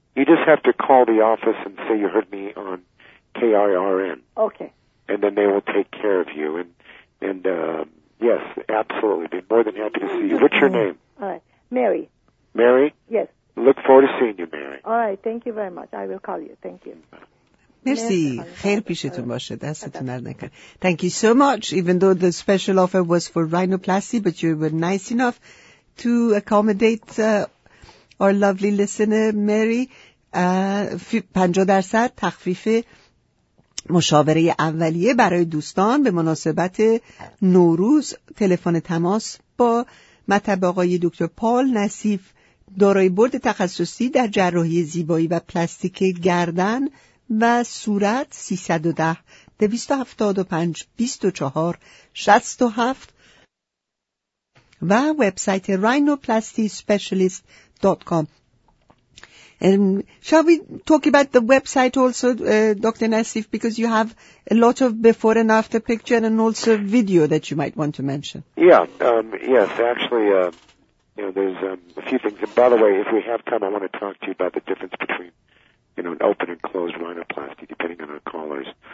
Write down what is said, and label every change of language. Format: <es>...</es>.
<en>You just have to call the office and say you heard me on KIRN. Okay. And then they will take care of you. And yes, absolutely. They'd be more than happy to see you. What's your name? All right. Mary. Mary? Yes. Look forward to seeing you, Mary. All right. Thank you very much. I will call you. Thank you.</en> <fa>مرسی، خیر پیشتون باشه، دستتون درد نکنه.</fa> <en>Thank you so much. Even though the special offer was for rhinoplasty, but you were nice enough to accommodate our lovely listener, Mary.</en> <fa>50% تخفیف مشاوره اولیه برای دوستان به مناسبت نوروز. تلفن تماس با مطب آقای دکتر پال نصیف، دارای بورد تخصصی در جراحی زیبایی و پلاستیک گردن و صورت، 310-275-2467 و وبسایت rhinoplastyspecialist.com.</fa> <en>Shall we talk about the website also, Dr. Nassif, because you have a lot of before and after picture and also video that you might want to mention. Yeah, yes, actually, you know, there's a few things. And by the way, if we have time, I want to talk to you about the difference between, you know, an open and closed rhinoplasty, depending on our callers.</en>